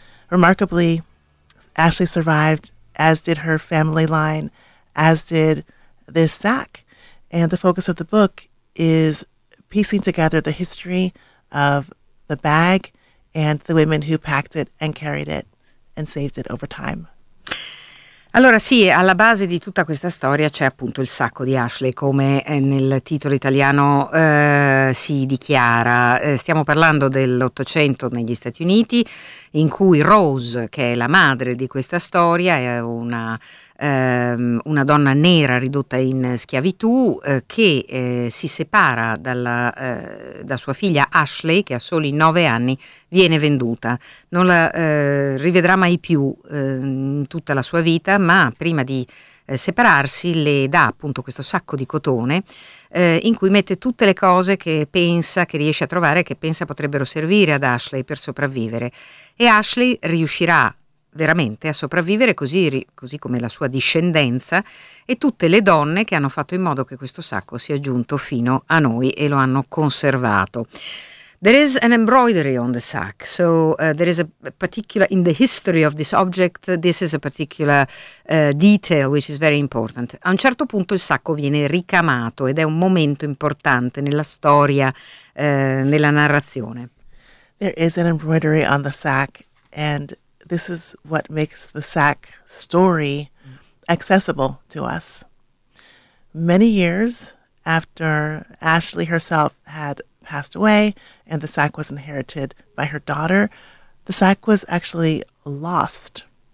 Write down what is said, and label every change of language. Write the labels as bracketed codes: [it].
[en] Remarkably, Ashley survived, as did her family line, as did this sack. And the focus of the book is piecing together the history of the bag and the women who packed it and carried it and saved it over time. [it] Allora sì, alla base di tutta questa storia c'è appunto il sacco di Ashley, come nel titolo italiano si dichiara. Stiamo parlando dell'Ottocento negli Stati Uniti, in cui Rose, che è la madre di questa storia, è una donna nera ridotta in schiavitù, che si separa da sua figlia Ashley, che ha soli 9 anni, viene venduta. Non la rivedrà mai più in tutta la sua vita, ma prima di separarsi le dà appunto questo sacco di cotone in cui mette tutte le cose che pensa, che riesce a trovare, che pensa potrebbero servire ad Ashley per sopravvivere. E Ashley riuscirà veramente a sopravvivere, così come la sua discendenza e tutte le donne che hanno fatto in modo che questo sacco sia giunto fino a noi e lo hanno conservato. [en] There is an embroidery on the sack, so there is a particular, in the history of this object, this is a particular detail which is very important. [it] A un certo punto il sacco viene ricamato ed è un momento importante nella storia, nella narrazione. [en] There is an embroidery on the sack, and this is what makes the sack story accessible to us. Many years after Ashley herself had passed away and the sack was inherited by her daughter, the sack was actually lost.